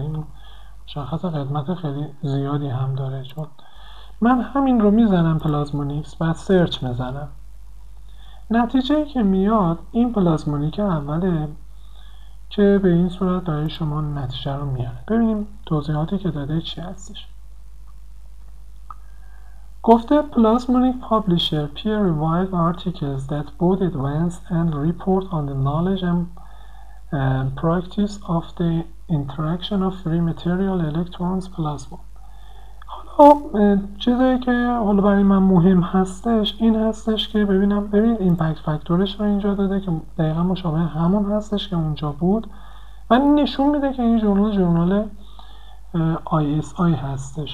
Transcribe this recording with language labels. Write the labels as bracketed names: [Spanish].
[Persian] این شخص خدمت خیلی زیادی هم داره، چون من همین رو میزنم پلازمونیکس و سرچ میزنم. نتیجه که میاد این پلازمونیک اوله که به این صورت داره شما نتیجه رو میاره. ببینیم توضیحاتی که داده چی هستش. گفته [English] Plasmonic Publisher peer reviewed articles that both advance and report on the knowledge and practice of the interaction of free material electrons plasma. [Persian] حالا چیزی که حالا برای من مهم هستش این هستش که ببینم، ببین ایمپکت فاکتورش رو اینجا داده که دقیقا مشابه همون هستش که اونجا بود و نشون میده که این ژورنال ISI هستش.